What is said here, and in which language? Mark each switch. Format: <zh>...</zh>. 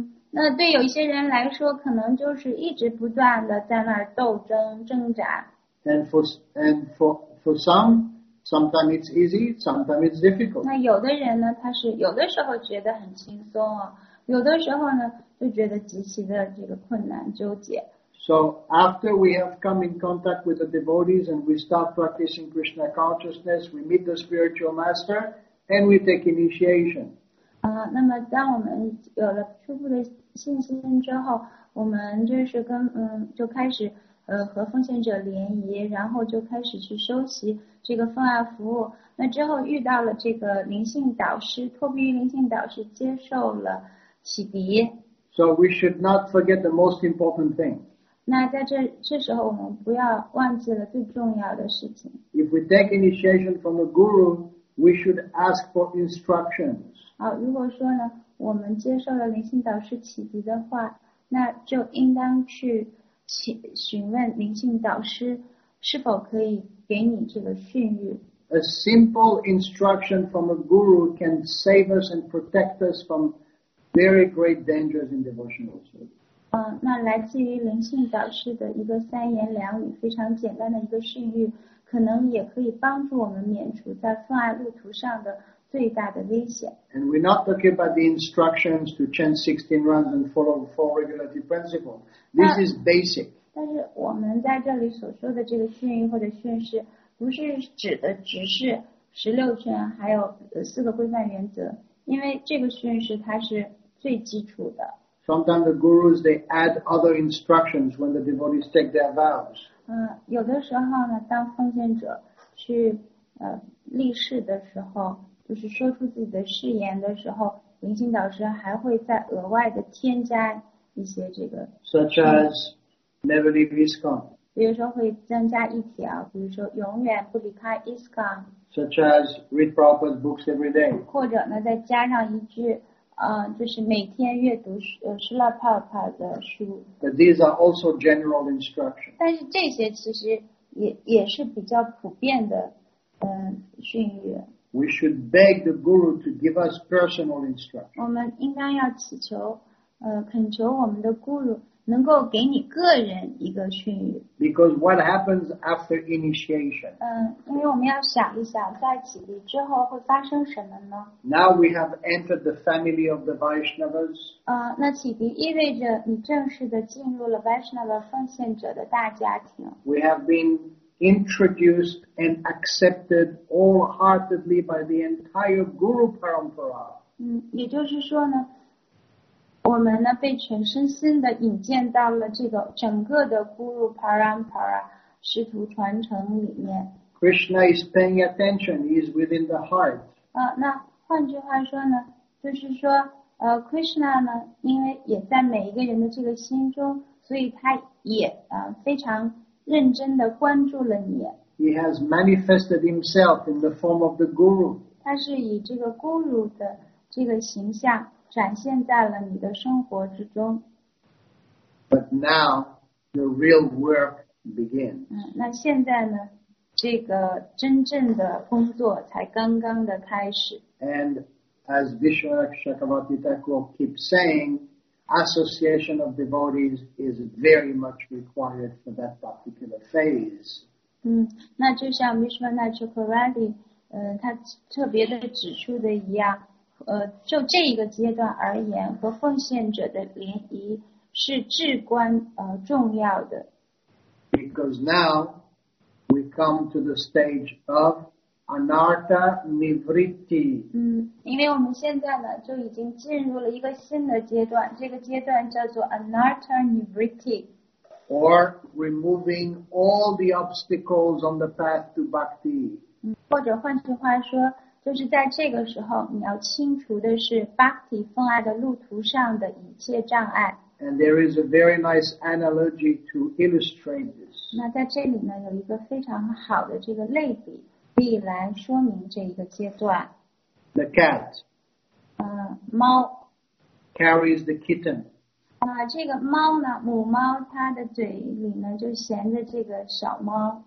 <zh>那对有一些人来说，可能就是一直不断的在那儿斗争挣扎。</zh> <en>And for some, sometimes it's easy, sometimes it's difficult.</en> <zh>那有的人呢，他是有的时候觉得很轻松哦。有的时候呢，就觉得极其的这个困难纠结。</zh> <en>So after we have come in contact with the devotees and we start practicing Krishna consciousness, we meet the spiritual master and we take initiation.</en> <zh>那么当我们有了初步的信心之后，我们就是跟就开始和奉献者联谊，然后就开始去收集这个奉爱服务。那之后遇到了这个灵性导师，托庇于灵性导师接受了。</zh> <en>So we should not forget the most important thing.</en> <zh>那在这时候，我们不要忘记了最重要的事情。</zh> <en>If we take initiation from a guru, we should ask for instructions.</en> <zh>如果说呢，我们接受了灵性导师启迪的话，那就应当去询问灵性导师是否可以给你这个训谕。</zh> <en>A simple instruction from a guru can save us and protect us from very great dangers in devotional service.</en> <zh>那来自于灵性导师的一个三言两语，非常简单的一个训谕，可能也可以帮助我们免除在奉爱路途上的最大的危险。</zh> <en>And we're not talking about the instructions to chant 16 rounds and follow four regulative principles. This is basic.</en> <zh>但是我们在这里所说的这个训谕或者训示，不是指的只是16圈，还有4个规范原则。因为这个训示它是最基础的。</zh> <en>Sometimes the gurus they add other instructions when the devotees take their vows.</en> <zh>有的时候呢，当奉献者去立誓的时候，就是说出自己的誓言的时候，灵性导师还会再额外的添加一些这个。</zh> <en>Such as never leave ISKCON.</en> <zh>比如说会增加一条，比如说永远不离开 ISKCON。</zh> <en>Such as read Prabhupada's books every day.</en> <zh>或者呢，再加上一句，就是每天阅读师拉帕尔帕的书。</zh> <en>But these are also general instructions.</en> <zh>但是这些其实也是比较普遍的，训谕。</zh> <en>We should beg the guru to give us personal instructions.</en> <zh>我们应当要祈求，恳求我们的 guru 能够给你个人一个训语。</zh> <en>Because what happens after initiation?</en> <zh>因为我们要想一想，在启迪之后会发生什么呢？</zh> <en>Now we have entered the family of the Vaishnavas.</en> <zh>那启迪意味着你正式的进入了 Vaishnava 奉献者的大家庭。</zh> <en>We have been introduced and accepted wholeheartedly by the entire Guru Parampara.</en> <zh>也就是说呢。我们呢被全身心的引荐到了这个整个的 Guru Parampara 师徒传承里面。</zh> <en>Krishna is paying attention. He is within the heart.</en> <zh>那换句话说呢，就是说，Krishna 呢，因为也在每一个人的这个心中，所以他也非常认真的关注了你。</zh> <en>He has manifested himself in the form of the Guru.</en> <zh>他是以这个 Guru 的这个形象。展现在了你的生活之中。</zh> <en>But now the real work begins.</en> <zh>那现在呢，这个真正的工作才刚刚的开始。</zh> <en>And as Vishwanath Chakravarti Thakur keeps saying, association of devotees is very much required for that particular phase.</en> <zh>那就像 Vishwanath Chakravarti, 他特别的指出的一样。就这一个阶段而言，和奉献者的联谊是至关重要的。</zh> <en>Because now we come to the stage of anartha nivritti.</en> <zh>因为我们现在呢就已经进入了一个新的阶段，这个阶段叫做 anartha nivritti.</zh> <en>Or removing all the obstacles on the path to bhakti.</en> <zh>或者换句话说。就是在这个时候，你要清除的是 bhakti 奉爱的路途上的一切障碍。</zh> <en>And there is a very nice analogy to illustrate this.</en> <zh>那在这里呢，有一个非常好的这个类比，可以来说明这一个阶段。</zh> <en>The cat.</en> <zh>猫。</zh> <en>Carries the kitten.</en> <zh>这个猫呢，母猫它的嘴里呢就衔着这个小猫。</zh>